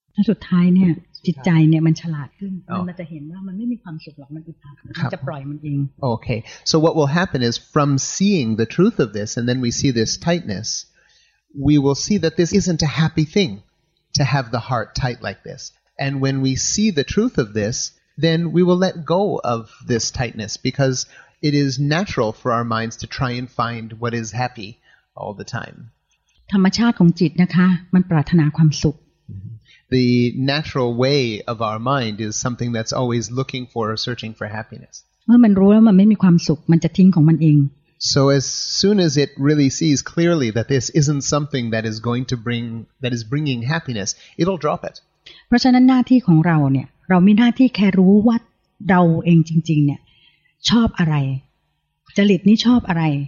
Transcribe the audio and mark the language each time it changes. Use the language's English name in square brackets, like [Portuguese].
[Thai] สุดท้ายเนี่ยจิตใจเนี่ยมันฉลาดขึ้นมันจะเห็นว่ามันไม่มีความสุขหรอกมันอึดอัดจะปล่อยมันเอง [English] Okay. So what will happen is from seeing the truth of this and then we see this tightness, we will see that this isn't a happy thing to have the heart tight like this. And when we see the truth of this,then we will let go of this tightness because it is natural for our minds to try and find what is happy all the time. [Thai] ธรรมชาติของจิตนะคะมันปรารถนาความสุข [English] The natural way of our mind is something that's always looking for or searching for happiness. [Thai] เมื่อมันรู้ว่ามันไม่มีความสุขมันจะทิ้งของมันเอง [English] So as soon as it really sees clearly that this isn't something that is going to bring, that is bringing happiness, it'll drop it. [Thai] เพราะฉะนั้นหน้าที่ของเราเนี่ยเรามีหน้าที่แค่รู้ว่าเราเองจริงๆเนี่ยชอบอะไรจริตนี้ชอบอะไร